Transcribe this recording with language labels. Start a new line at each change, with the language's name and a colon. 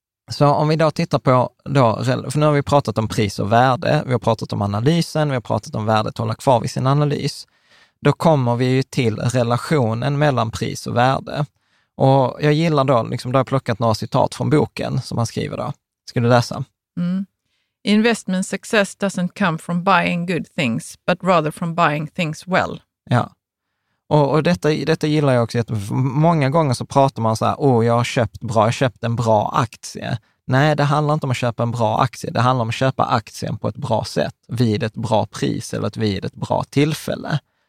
Swedish: Så om vi då tittar på, då, för nu har vi pratat om pris och värde. Vi har pratat om analysen, vi har pratat om värdet att hålla kvar vid sin analys. Då kommer vi ju till relationen mellan pris och värde. Och jag gillar då, liksom, då har jag plockat några citat från boken som han skriver då. Ska du läsa? Mm.
English: Investment success doesn't come from buying good things, but rather from buying things well.
Swedish: Ja, och detta gillar jag också. Många gånger så pratar man så här, jag har köpt en bra aktie. Nej, det handlar inte om att köpa en bra aktie. Det handlar om att köpa aktien på ett bra sätt, vid ett bra pris eller vid ett bra tillfälle.